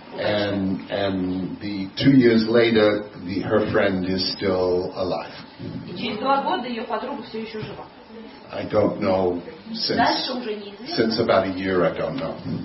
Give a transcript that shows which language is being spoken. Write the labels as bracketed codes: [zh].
[en] And the 2 years later, her friend is still alive. [ru] И через 2 года ее подруга все еще жива. [en] I don't know since about a year, I don't know.